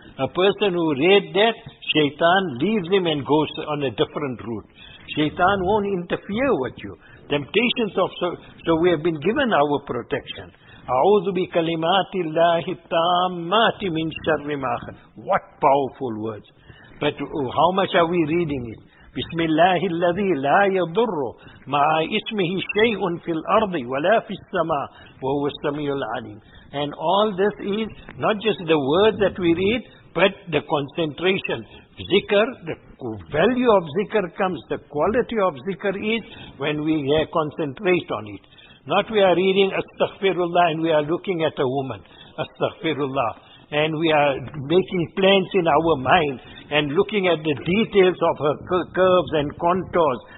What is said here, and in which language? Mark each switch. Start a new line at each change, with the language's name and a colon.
English: A person who read that, shaitan leaves him and goes on a different route. Shaitan won't interfere with you. Temptations of... So we have been given our protection.
Arabic: أعوذ بكلمات الله التامات من شر ما خلق.
English: What powerful words. But how much are we reading it?
Arabic: بسم الله الذي لا يضر مع اسمه شيء في الأرض ولا في السماء وهو السميع العليم.
English: And all this is not just the words that we read, But the concentration, zikr, the value of zikr comes, the quality of zikr is when we concentrate on it. Not we are reading astaghfirullah and we are looking at a woman, astaghfirullah. And we are making plans in our mind and looking at the details of her curves and contours.